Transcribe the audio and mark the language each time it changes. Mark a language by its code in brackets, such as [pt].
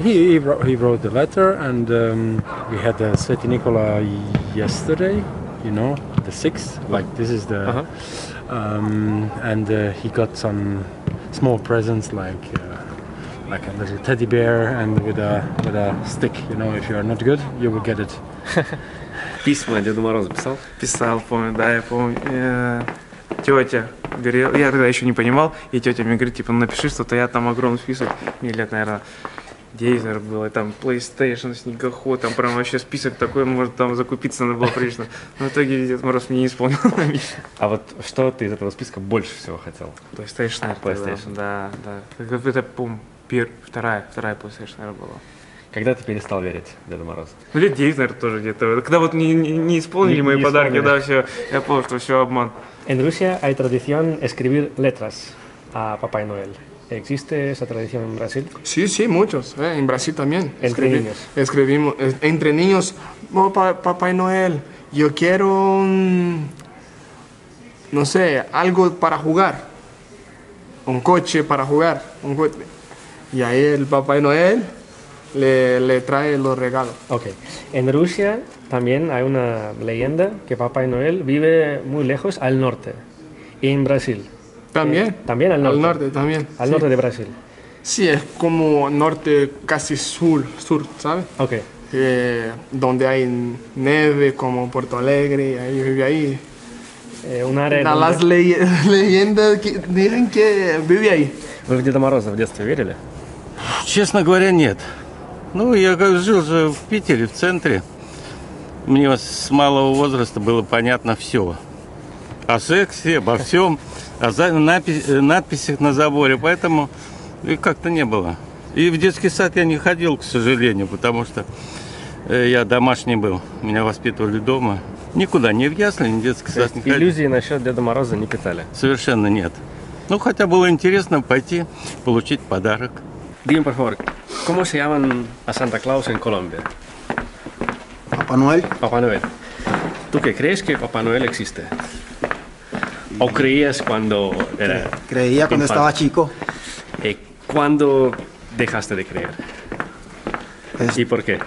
[en] He wrote the letter, and we had Svetý Nikola yesterday, you know, the 6th, like this is the... Uh-huh. He got some small presents like a little teddy bear and with a stick, you know, if you are not good, you will get it. [ru] Письма Деду Морозу писал? Писал, помню, да, я помню. Тетя говорил, я тогда еще не понимал, и тетя мне говорит, типа, напиши что-то, я там огромный список, мне лет, наверное, 10, наверное, было, там, PlayStation, снегоход, там прям вообще список такой, может, там закупиться надо было прилично. Но в итоге Дед Мороз мне не исполнил на миссию. А вот что ты из этого списка больше всего хотел? PlayStation, наверное. PlayStation. Да, да. Это, вторая PlayStation, наверное, была. Когда ты перестал верить в Деда Мороза? Ну, лет 10, наверное, тоже где-то. Когда вот не исполнили мои подарки, да, все, я понял, что все обман. [es] En Rusia hay tradición escribir letras a Papá Noel. ¿Existe esa tradición en Brasil? Sí, sí, muchos. En Brasil también. Entre niños. Escribimos. Entre niños, oh, Papá Noel, yo quiero, no sé, algo para jugar. Un coche para jugar. Un coche. Y ahí el Papá Noel le trae los regalos. Ok. En Rusia también hay una leyenda que Papá Noel vive muy lejos, al norte. Y en Brasil. También. También al norte. Al norte, también. Al norte de Brasil. Sí, es como norte, casi sur, sur, ¿sabes? Ok. Donde hay nieve, como Porto Alegre, ahí vive ahí. Un área donde... Las leyendas que dicen que vive ahí. [ru] ¿Вы в Деда Мороза в детстве верили? Честно говоря, нет. Ну, я как жил же в Питере, в центре. Мне с малого возраста было понятно все. О сексе, обо всем, о надписях на заборе. Поэтому их как-то не было. И в детский сад я не ходил, к сожалению, потому что я домашний был. Меня воспитывали дома. Никуда, ни в ясли, ни в детский сад не ходил. Иллюзии насчет Деда Мороза не питали? Совершенно нет. Ну, хотя было интересно пойти получить подарок. [es] Dime, por favor, ¿cómo se llaman a Santa Claus en Colombia? Papá Noel. Papá Noel. ¿Tú qué crees que Papá Noel existe? ¿O creías cuando era...? Creía cuando estaba chico. ¿Cuándo dejaste de creer? Pues, ¿y por qué?